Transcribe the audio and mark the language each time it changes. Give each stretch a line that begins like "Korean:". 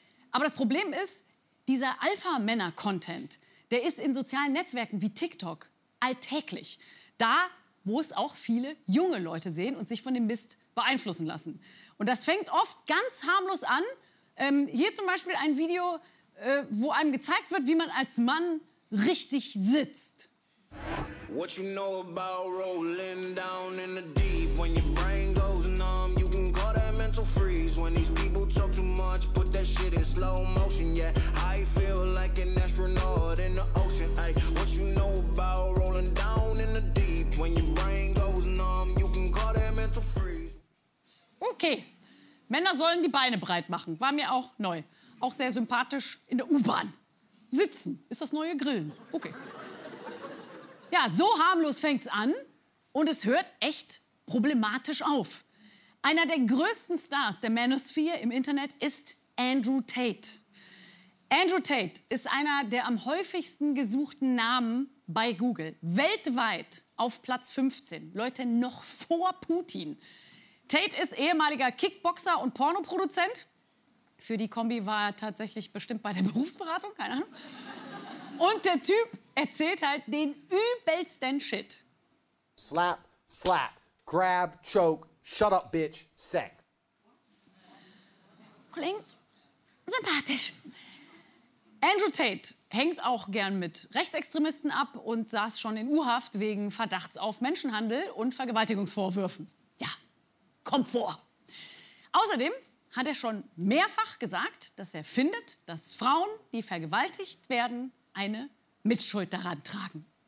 German: Aber das Problem ist, dieser Alpha-Männer-Content, der ist in sozialen Netzwerken wie TikTok alltäglich. Da, wo es auch viele junge Leute sehen und sich von dem Mist beeinflussen lassen. Und das fängt oft ganz harmlos an. Hier zum Beispiel ein Video, wo einem gezeigt wird, wie man als Mann richtig sitzt.
English: What you know about rolling down in the deep? When your brain goes numb, you can call that mental freeze. When these people talk too much, put that shit in slow motion. Yeah, I feel like an astronaut in the ocean. Ay, what you know about rolling down in the deep? When your brain goes numb, you can call that mental freeze.
German: Okay, Männer sollen die Beine breit machen. War mir auch neu. Auch sehr sympathisch in der U-Bahn. Sitzen ist das neue Grillen. Okay. Ja, so harmlos fängt's an und es hört echt problematisch auf. Einer der größten Stars der Manosphere im Internet ist Andrew Tate. Andrew Tate ist einer der am häufigsten gesuchten Namen bei Google. Weltweit auf Platz 15. Leute, noch vor Putin. Tate ist ehemaliger Kickboxer und Pornoproduzent. Für die Kombi war er tatsächlich bestimmt bei der Berufsberatung, keine Ahnung. Und der Typ erzählt halt den übelsten Shit.
English: Slap, slap, grab, choke, shut up, bitch, sack.
German: Klingt sympathisch. Andrew Tate hängt auch gern mit Rechtsextremisten ab und saß schon in U-Haft wegen Verdachts auf Menschenhandel und Vergewaltigungsvorwürfen. Ja, kommt vor. Außerdem hat er schon mehrfach gesagt, dass er findet, dass Frauen, die vergewaltigt werden, eine Mitschuld daran tragen.